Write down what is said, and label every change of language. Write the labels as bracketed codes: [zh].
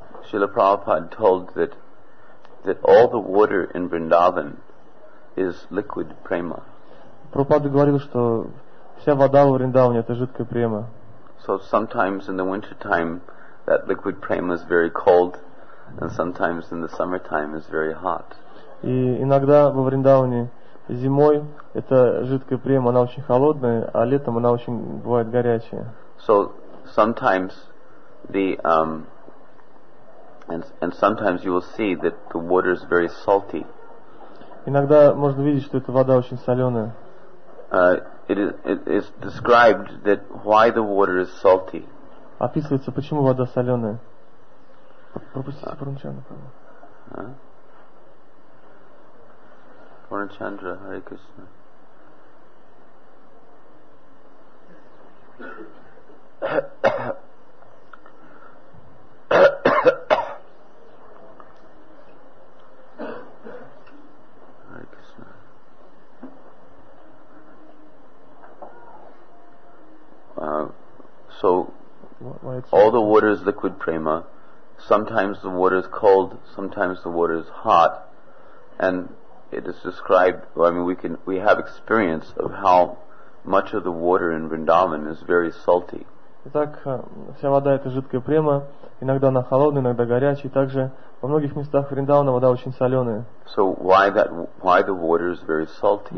[en] Srila Prabhupada told that all the water in Vrindavan is liquid prema. [ru] Prabhupada говорил, что вся вода в Вриндаване это жидкая према. [en] So sometimes in the winter time that liquid prema is very cold, and sometimes in the summer time is very hot. [ru] И иногда во Вриндаване зимой эта жидкая према она очень холодная, а летом она очень бывает горячая. [en] So sometimes the And sometimes you will see that the water is very salty. [ru] Иногда можно видеть, что эта вода очень соленая. [en] It is described that why the water is salty. [ru] Описывается, почему вода соленая. Пропустите Пурнчандру. Пурнчандра, Хари Кришна. [en] All the water is liquid prema. Sometimes the water is cold, sometimes the water is hot, and it is described, we have experience of how much of the water in Vrindavan is very salty. [ru] Итак, вся вода это жидкая према, иногда она холодная, иногда горячая, и также во многих местах Вриндавана вода очень соленая. [en] So why that, why the water is very salty?